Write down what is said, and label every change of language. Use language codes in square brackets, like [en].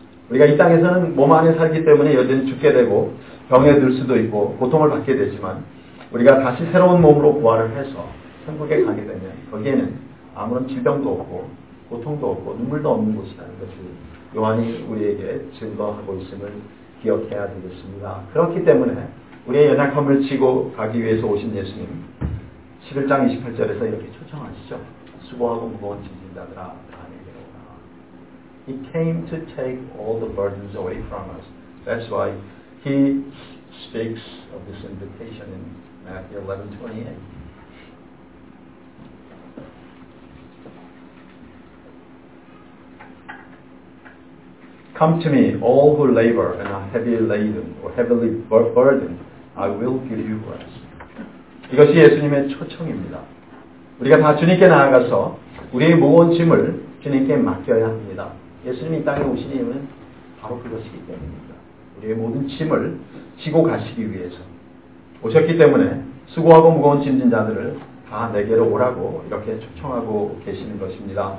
[ko] 우리가 이 땅에서는 몸 안에 살기 때문에 여전히 죽게 되고 병에 들 수도 있고 고통을 받게 되지만 우리가 다시 새로운 몸으로 부활을 해서 천국에 가게 되면 거기에는 아무런 질병도 없고 고통도 없고 눈물도 없는 곳이라는 것을 요한이 우리에게 증거하고 있음을 기억해야 되겠습니다. 그렇기 때문에 우리의 연약함을 지고 가기 위해서 오신 예수님 11장 28절에서 이렇게 초청하시죠. 수고하고 무거운 짐진다더라 다 내게로 오라. [en] He came to take all the burdens away from us. That's why he speaks of this invitation in Matthew 11:28. 'Come to me, all who labor and are heavy laden or heavily burdened. I will give you rest.' [ko] 이것이 예수님의 초청입니다. 우리가 다 주님께 나아가서 우리의 무거운 짐을 주님께 맡겨야 합니다. 예수님이 이 땅에 오신 이유는 바로 그것이기 때문입니다. 우리의 모든 짐을 지고 가시기 위해서 오셨기 때문에 수고하고 무거운 짐진 자들을 다 내게로 오라고 이렇게 초청하고 계시는 것입니다.